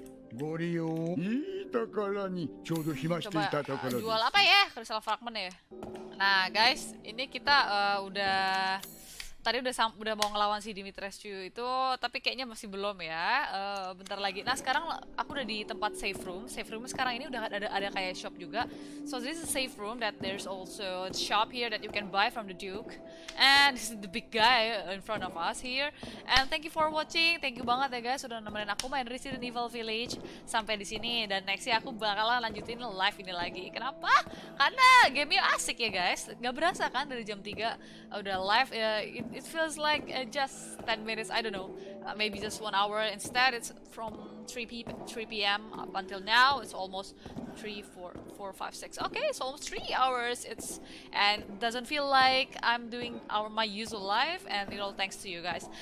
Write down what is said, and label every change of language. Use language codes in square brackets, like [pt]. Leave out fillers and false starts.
[id] Goryo. Ita kara ni chodo hima shite ita tokoro. Jual apa ya? Crystal fragment ya. Nah, guys, ini kita udah mau ngelawan si Dimitrescu itu, tapi kayaknya masih belum ya. Bentar lagi. Nah, sekarang aku udah di tempat safe room. Safe room sekarang ini udah ada kayak shop juga. [en] So this is a safe room that there's also a shop here that you can buy from the Duke. And this is the big guy in front of us here. And thank you for watching. Thank you [id] banget ya guys sudah nemenin aku main Resident Evil Village sampai di sini. Dan next ya aku bakalan lanjutin live ini lagi. Kenapa? Karena game-nya asik ya guys. Gak berasa kan dari jam 3 udah live. [en] It feels like just 10 minutes, I don't know, maybe just 1 hour. Instead, it's from 3 p.m. up until now, it's almost 3, 4, 4, 5, 6. Okay, so almost 3 hours, and doesn't feel like I'm doing my usual life, and it all thanks to you guys.